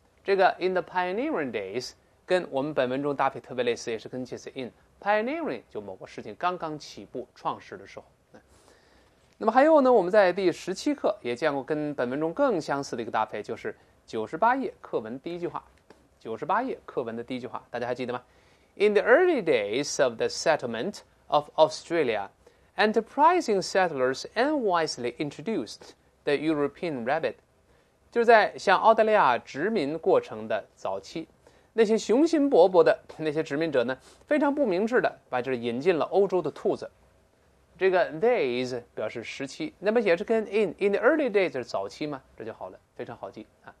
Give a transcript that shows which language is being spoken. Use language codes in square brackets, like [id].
[zh] 这个 [en] in the pioneering days [zh] 跟我们本文中搭配特别类似，也是跟介词 in。 Pioneering 就某个事情刚刚起步创始的时候。那么还有呢，我们在第17课也见过跟本文中更相似的一个搭配，就是98页课文第一句话。 98页课文的第一句话，大家还记得吗？ [en] In the early days of the settlement of Australia, enterprising settlers unwisely introduced the European rabbit. [zh] 就是在向澳大利亚殖民过程的早期，那些雄心勃勃的那些殖民者呢，非常不明智的把这引进了欧洲的兔子。这个 days 表示时期，那么也是跟 [en] in the early days [zh] 是早期嘛，这就好了，非常好记啊。